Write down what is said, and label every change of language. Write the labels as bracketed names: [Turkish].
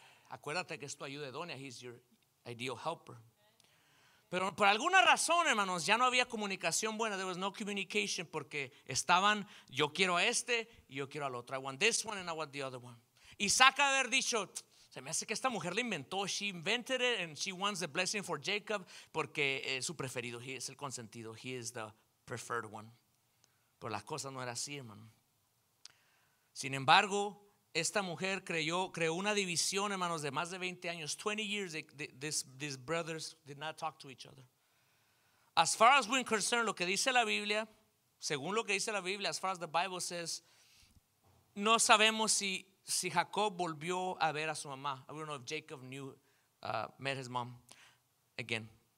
[Spanish] Acuérdate que es tu ayuda idónea, [English] he's your ideal helper. [Spanish] Pero por alguna razón, hermanos, ya no había comunicación buena. [English] There was no communication, [Spanish] porque estaban, yo quiero a este y yo quiero al otro. [English] I want this one and I want the other one. [Spanish] Isaac haber dicho, se me hace que esta mujer la inventó. [English] She invented it and she wants the blessing for Jacob, [Spanish] porque es su preferido, [English] he [Spanish] es el consentido, [English] he is the preferred one. [Spanish] Pero la cosa no era así, hermano. Sin embargo, esta mujer creó una división, hermanos, de más de 20 años. [English] 20 years these brothers did not talk to each other. As far as we're concerned, [Spanish] lo que dice la Biblia, según lo que dice la Biblia, [English] as far as the Bible says, [Spanish] no sabemos si Jacob volvió a ver a su mamá. [English] I don't know if Jacob knew, met his mom again.